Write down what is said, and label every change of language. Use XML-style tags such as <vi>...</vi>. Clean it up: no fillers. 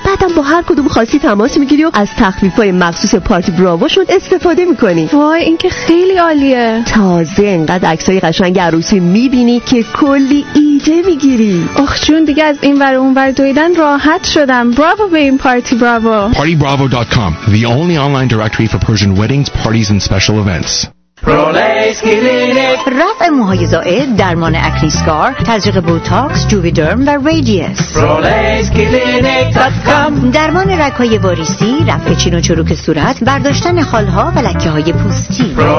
<fa>بعدم با هر کدوم خواستی تماس میگیری و از تخفیفای مخصوص پارتی براووشون استفاده میکنی. وای این که خیلی عالیه. تازه اینقدر عکسای قشنگ عروسی میبینی که کلی ایده میگیری. آخ جون دیگه از این ور اون ور دویدن راحت شدم. براوو به این پارتی براوو.</fa> <en>partybravo.com the only online directory for Persian weddings, parties and special events.</en> <fa>رفع موهای زائد، درمان اکنی سکار، تزریق بوتاکس، جوویدرم و ریدیس. درمان رگهای واریسی، رفع چین و چروک صورت، برداشتن خالها و لکه های پوستی.</fa>